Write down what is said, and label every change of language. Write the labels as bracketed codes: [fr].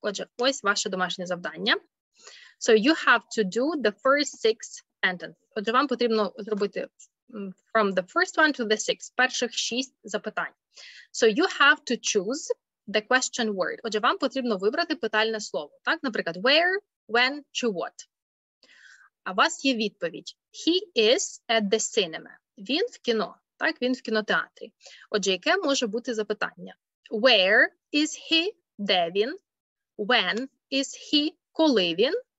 [uk] Отже, ось ваше домашнє завдання. [en] So you have to do the first six sentences. [uk] Отже, вам потрібно зробити [en] from the first one to the sixth, [uk] перших шість запитань. [en] So you have to choose the question word. [uk] Отже, вам потрібно вибрати питальне слово. Так? Наприклад, where, when, чи what. А у вас є відповідь. [en] He is at the cinema. [uk] Він в кіно. Так? Він в кінотеатрі. Отже, яке може бути запитання? [en] Where is he? [uk] Де він? [en] When is he? [uk] Коли він?